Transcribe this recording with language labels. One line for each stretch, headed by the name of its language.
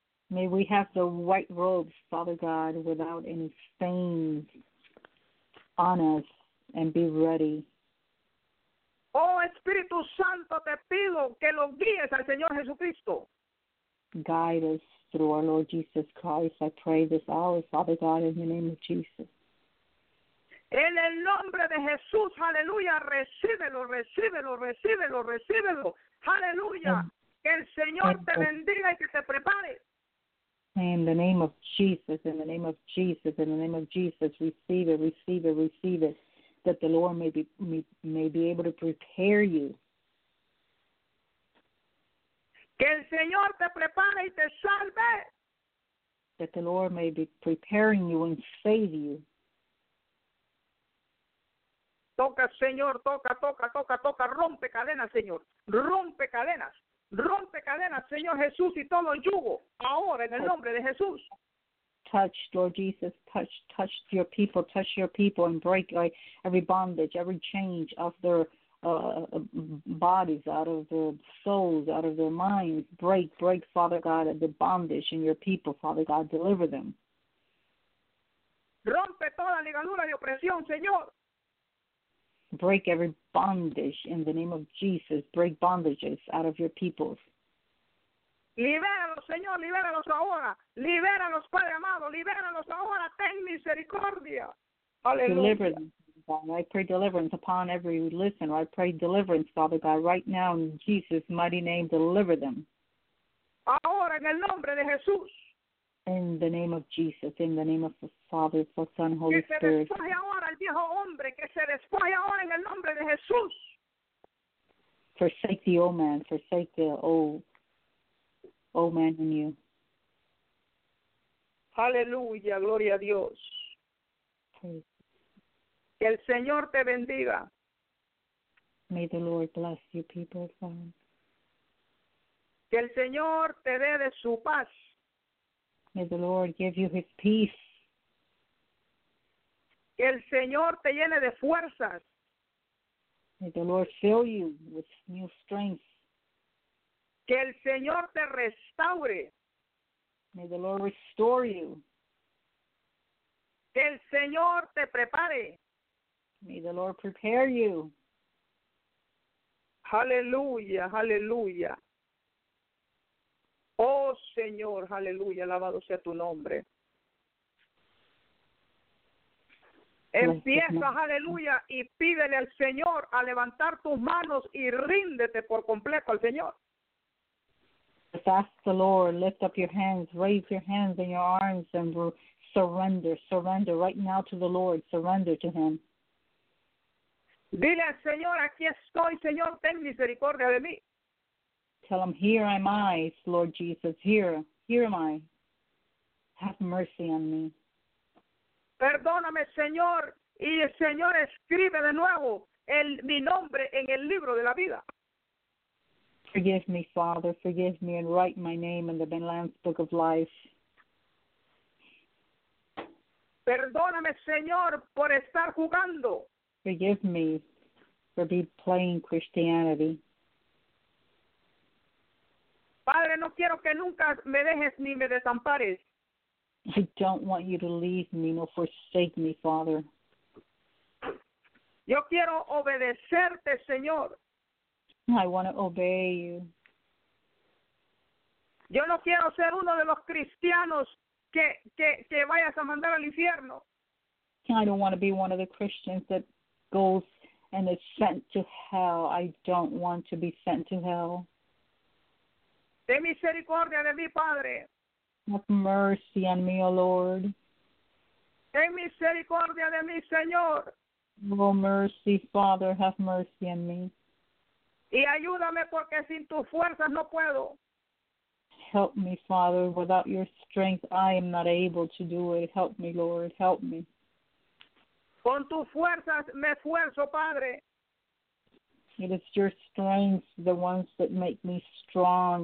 English: May we have the white robes, Father God, without any stains on us, and be ready.
Spanish: Oh, Espíritu Santo, te pido que lo guíes al Señor Jesucristo.
English: Guide us through our Lord Jesus Christ. I pray this hour, Father God, in the name of Jesus.
Spanish: En el nombre de Jesús, aleluya, recíbelo, recíbelo, recíbelo, recíbelo. Aleluya, que el Señor te bendiga y que te prepare.
English: In the name of Jesus, in the name of Jesus, in the name of Jesus, receive it, receive it, receive it, that the Lord may be able to prepare you.
Spanish: Que el Señor te prepare y te salve.
English: That the Lord may be preparing you and save you.
Spanish: Toca, Señor, toca, toca, toca, toca, rompe cadenas, Señor, rompe cadenas. Rompe cadenas, Señor Jesús, y todo yugo, ahora en el nombre de Jesús.
English: Touch, Lord Jesus, touch your people, touch your people, and break every bondage, every change of their bodies, out of their souls, out of their minds. Break, Father God, the bondage in your people, Father God, deliver them.
Spanish: Rompe toda ligadura de opresión, Señor.
English: Break every bondage in the name of Jesus. Break bondages out of your peoples.
Spanish: Libéralos, Señor, libéralos ahora. Libéralos, Padre amado, libéralos ahora. Ten misericordia. Hallelujah.
English: Deliver them, God. I pray deliverance upon every listener. I pray deliverance, Father God, right now in Jesus' mighty name. Deliver them.
Spanish: Ahora en el nombre de Jesús.
English: In the name of Jesus, in the name of the Father, the Son, Holy Spirit.
Spanish: Que se despoje ahora el viejo hombre, que se despoje ahora en el nombre de Jesús.
English: Forsake the old man, forsake the old man in you.
Spanish: Aleluya, gloria a Dios. Que el Señor te bendiga.
English: May the Lord bless you, people of God.
Spanish: Que el Señor te dé de su paz.
English: May the Lord give you his peace.
Spanish: Que el Señor te llene de fuerzas.
English: May the Lord fill you with new strength.
Spanish: Que el Señor te restaure.
English: May the Lord restore you.
Spanish: Que el Señor te prepare.
English: May the Lord prepare you.
Spanish: Aleluya, aleluya. Oh, Señor, aleluya, alabado sea tu nombre. Empieza, aleluya, y pídele al Señor a levantar tus manos y ríndete por completo al Señor.
English: Just ask the Lord, lift up your hands, raise your hands and your arms and surrender right now to the Lord, surrender to him.
Spanish: Dile al Señor, aquí estoy, Señor, ten misericordia de mí.
English: Tell him, here am I, Lord Jesus, here am I. Have mercy on me.
Spanish: Perdóname, Señor, y el Señor escribe de nuevo mi nombre en el libro de la vida.
English: Forgive me, Father, forgive me, and write my name in the Lamb's Book of Life.
Spanish: Perdóname, Señor, por estar jugando.
English: Forgive me for being playing Christianity.
Spanish: Padre, no quiero que nunca me dejes ni me desampares.
English: I don't want you to leave me nor forsake me, Father.
Spanish: Yo quiero obedecerte, Señor.
English: I want to obey you.
Spanish: Yo no quiero ser uno de los cristianos que vayas a mandar al infierno.
English: I don't want to be one of the Christians that goes and is sent to hell. I don't want to be sent to hell.
Spanish: De misericordia de mi Padre.
English: Have mercy on me, O Lord.
Spanish: De misericordia de mi Señor.
English: Oh, mercy, Father, have mercy on me.
Spanish: Y ayúdame porque sin tus fuerzas no puedo.
English: Help me, Father, without your strength I am not able to do it. Help me, Lord, help me.
Spanish: Con tus fuerzas me esfuerzo, Padre.
English: It is your strength, the ones that make me strong.